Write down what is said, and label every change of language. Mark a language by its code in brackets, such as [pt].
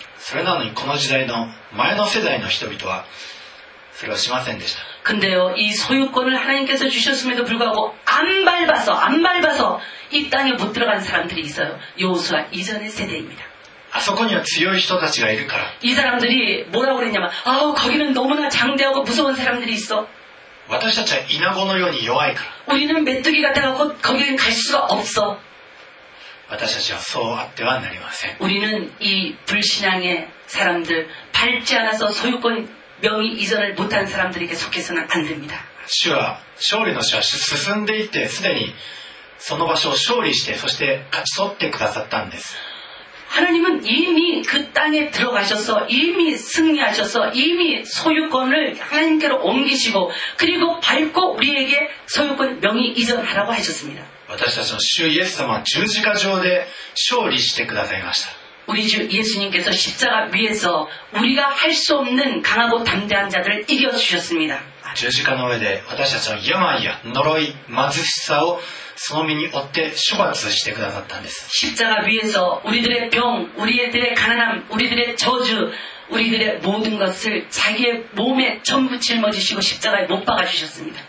[ja] それなのにこの時代の前の世代の人々はそれをしませんでした [ko] 근데요이소유권을하나님께서주셨음에도불구하고안밟아서안밟아서이땅에못들어간사람들이있어요요수아이전의세대입니다 [ja] あそこには強い人たちがいるから。 [ko] 이사람들이뭐라고그랬냐면아우거기는너무나장대하고무서운사람들이있어 [ja] 私たちはイナゴのように弱いから。 [ko] 우리는메뚜기같아갖고거기는갈수가없어 [ja] 私たちはそうあってはなりません [ko] 우리는이불신앙의사람들밟지않아서소유권명의이전을못한사람들에게속해서는안됩니다 [ja] 主は勝利の主は進んでいてすでにその場所を勝利してそして勝ち取ってくださったんです [ko] 하나님은이미그땅에들어가셔서이미승리하셔서이미소유권을하나님께로옮기시고그리고밟고우리에게소유권명의이전하라고하셨습니다 [ja] 私たちの主イエス様は十字架上で勝利してくださいました [ko] 우리주예수님께서십자가위에서우리가할수없는강하고담대한자들을이겨주셨습니다 [ja] 十字架の上で私たちの病や呪い貧しさをその身に負って処罰してくださったんです [ko] 십자가위에서우리들의병우리들의가난함우리들의저주우리들의모든것을자기의몸에전부짊어지시고십자가에못박아주셨습니다